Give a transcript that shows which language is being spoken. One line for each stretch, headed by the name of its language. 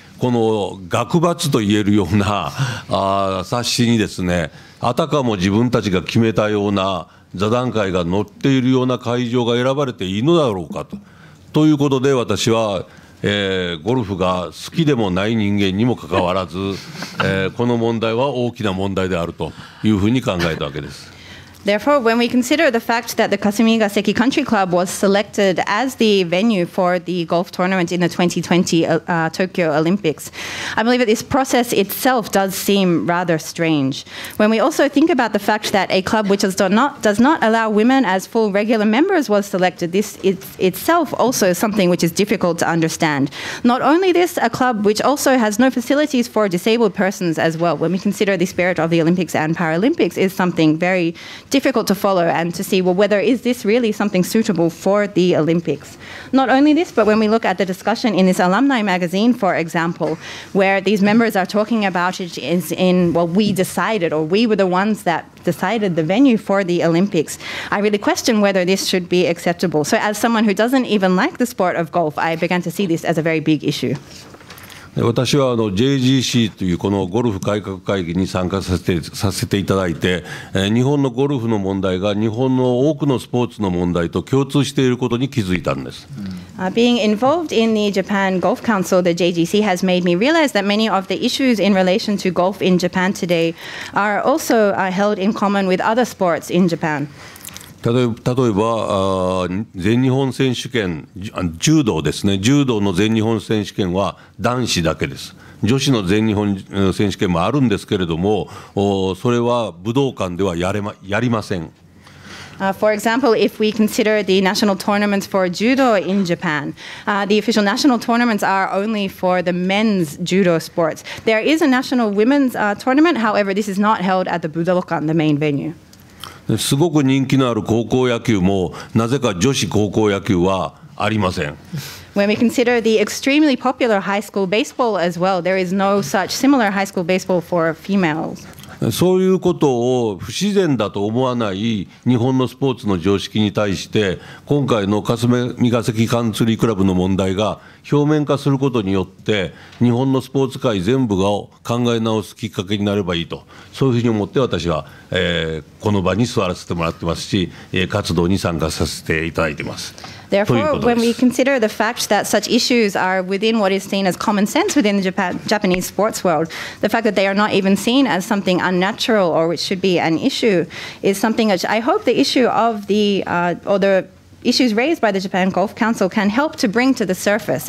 Japanese: この額罰といえるような冊子にですね、あたかも自分たちが決めたような座談会が載っているような会場が選ばれていいのだろうかと、ということで私は、ゴルフが好きでもない人間にもかかわらず、この問題は大きな問題であるというふうに考えたわけです。
English: Therefore, when we consider the fact that the Kasumigaseki Country Club was selected as the venue for the golf tournament in the 2020 Tokyo Olympics, I believe that this process itself does seem rather strange. When we also think about the fact that a club which does not allow women as full regular members was selected, this is itself also something which is difficult to understand. Not only this, a club which also has no facilities for disabled persons as well, when we consider the spirit of the Olympics and Paralympics, is something very difficult to follow and to see, well, whether is this really something suitable for the Olympics. Not only this, but when we look at the discussion in this alumni magazine, for example, where these members are talking about it is in, well, we decided, or we were the ones that decided the venue for the Olympics, I really question whether this should be acceptable. So as someone who doesn't even like the sport of golf, I began to see this as a very big issue.
Japanese: 私はJGC というこのゴルフ改革会議に参加させていただいて、日本のゴルフの問題が日本の多くのスポーツの問題と共通していることに気づいたんです。
English: Being involved in the Japan Golf Council, the JGC, has made me realize that many of the issues in relation to golf in Japan today are also held in common with other sports in Japan.
Japanese: 例えば全日本選手権、柔道ですね、柔道の全日本選手権は男子だけです。女子の全日本選手権もあるんですけれども、それは武道館ではやりません。
English: For example, if we consider the national tournaments for judo in Japan, the official national tournaments are only for the men's judo sports. There is a national women's tournament, however, this is not held at the Budokan, the main venue
Japanese: すごく人気のある高校野球もなぜか女子高校野球はありません。
English: When we consider the extremely popular high school baseball as well, there is no such similar high school baseball for females.
Japanese: そういうことを不自然だと思わない日本のスポーツの常識に対して、今回の霞ヶ関カンツリークラブの問題が表面化することによって、日本のスポーツ界全部が考え直すきっかけになればいいと、そういうふうに思って私は、この場に座らせてもらってますし、活動に参加させていただいています。
English: Therefore, when we consider the fact that such issues are within what is seen as common sense within the Japanese sports world, the fact that they are not even seen as something unnatural or which should be an issue is something that I hope the issue of the, or the issues raised by the Japan Golf Council can help to bring to the surface.